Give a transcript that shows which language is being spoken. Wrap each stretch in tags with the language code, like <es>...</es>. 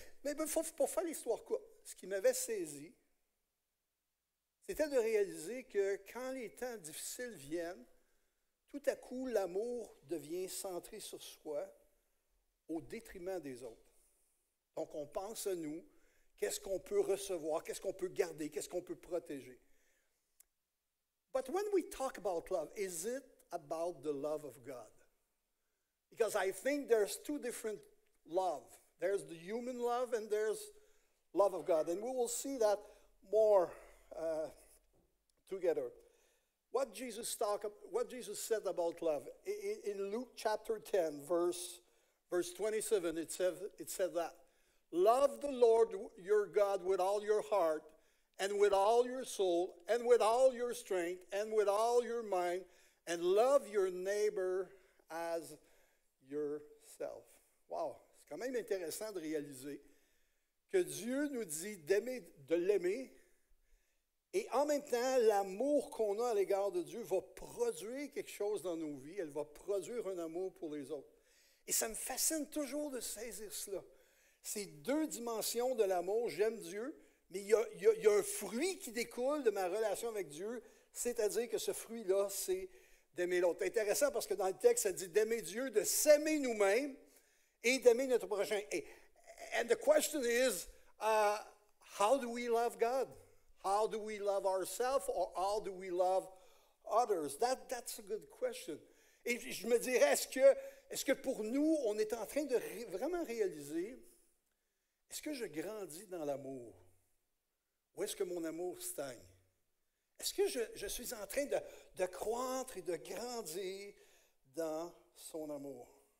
<fr>Mais pour faire l'histoire courte, ce qui m'avait saisi, c'était de réaliser que quand les temps difficiles viennent, tout à coup, l'amour devient centré sur soi au détriment des autres. Donc, on pense à nous, qu'est-ce qu'on peut recevoir, qu'est-ce qu'on peut garder, qu'est-ce qu'on peut protéger.</fr> <en>But when we talk about love, is it about the love of God? Because I think there's two different love. There's the human love and there's love of God. And we will see that more together. What Jesus said about love, in Luke chapter 10, verse Verse 27, it said that, love the Lord your God with all your heart and with all your soul and with all your strength and with all your mind, and love your neighbor as yourself.</en> <fr>Wow, c'est quand même intéressant de réaliser que Dieu nous dit d'aimer, de l'aimer, et en même temps, l'amour qu'on a à l'égard de Dieu va produire quelque chose dans nos vies, elle va produire un amour pour les autres. Et ça me fascine toujours de saisir cela. Ces deux dimensions de l'amour, j'aime Dieu, mais il y a un fruit qui découle de ma relation avec Dieu, c'est-à-dire que ce fruit-là, c'est d'aimer l'autre. C'est intéressant parce que dans le texte, ça dit d'aimer Dieu, de s'aimer nous-mêmes et d'aimer notre prochain.</fr> <en>And the question is, how do we love God? How do we love ourselves or how do we love others? That's a good question.</en> <fr>Et je me dirais, est-ce que pour nous, on est en train de vraiment réaliser, est-ce que je grandis dans l'amour? Ou est-ce que mon amour stagne? Est-ce que je suis en train de croître et de grandir dans son amour?</fr>